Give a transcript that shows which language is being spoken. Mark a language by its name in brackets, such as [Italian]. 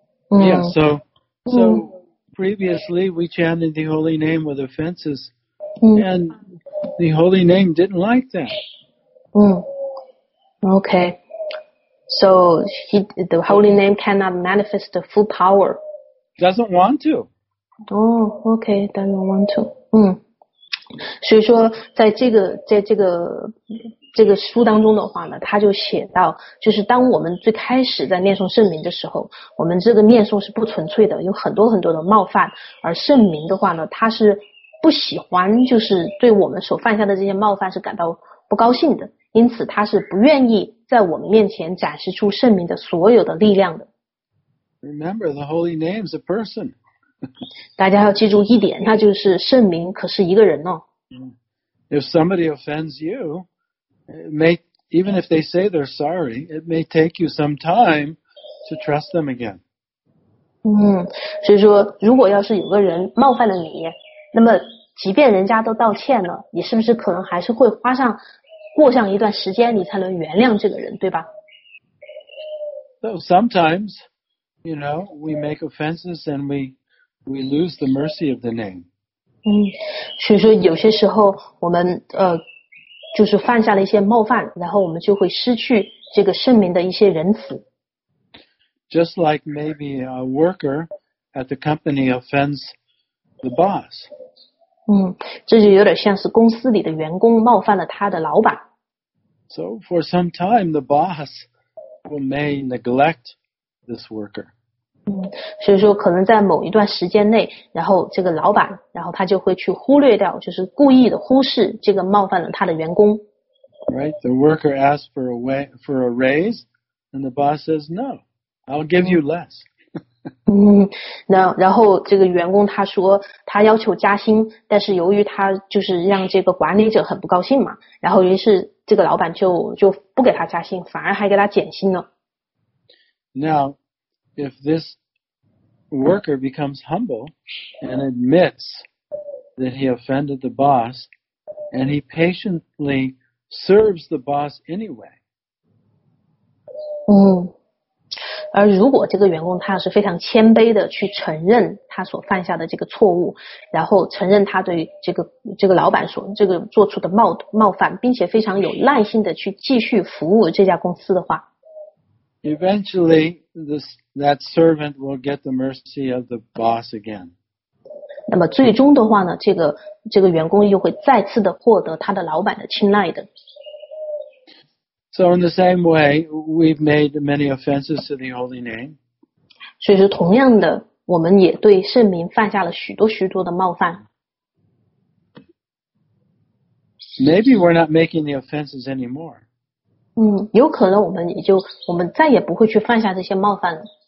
[English] So previously we chanted the holy name with offenses, and the holy name didn't like that. Okay. So the holy name cannot manifest the full power. Doesn't want to. Okay, doesn't want to. [Chinese] 所以说在这个书当中的话呢，他就写到，就是当我们最开始在念诵圣名的时候，我们这个念诵是不纯粹的，有很多很多的冒犯，而圣名的话呢，他是不喜欢，就是对我们所犯下的这些冒犯是感到不高兴的，因此他是不愿意在我们面前展示出圣名的所有的力量的。 [English] Remember, the holy name is a person. [Chinese] 大家要记住一点，那就是圣名可是一个人哦。 [English] If somebody offends you, even if they say they're sorry, it may take you some time to trust them again. [Chinese] 所以说，如果要是有个人冒犯了你，那么即便人家都道歉了，你是不是可能还是会过上一段时间，你才能原谅这个人，对吧 [English] ？So sometimes. You know, we make offenses and we lose the mercy of the name. [Chinese] 所以说有些时候我们就是犯下了一些冒犯，然后我们就会失去这个圣名的一些仁慈。 [English] Just like maybe a worker at the company offends the boss. [Chinese] 这就有点像是公司里的员工冒犯了他的老板。 [English] So for some time, the boss may neglect. This worker. [Chinese] 所以说可能在某一段时间内，然后这个老板，然后他就会去忽略掉，就是故意的忽视这个冒犯了他的员工。 [English] Right, the worker asks for a raise, and the boss says no. I'll give you less. [Chinese] 然后这个员工他说他要求加薪，但是由于他就是让这个管理者很不高兴嘛，然后于是这个老板就不给他加薪，反而还给他减薪了。 [English] Now, if this worker becomes humble and admits that he offended the boss, and he patiently serves the boss anyway. [Chinese] 而如果这个员工他是非常谦卑的去承认他所犯下的这个错误，然后承认他对这个老板所这个做出的冒犯，并且非常有耐心的去继续服务这家公司的话。 [English] Eventually, that servant will get the mercy of the boss again. [Chinese] 那么最终的话呢，这个员工又会再次的获得他的老板的青睐的。 [English] So in the same way, we've made many offenses to the Holy Name. [Chinese] 所以是同样的，我们也对圣名犯下了许多许多的冒犯。 [English] Maybe we're not making the offenses anymore. [Chinese] 有可能我们再也不会去犯下这些冒犯了。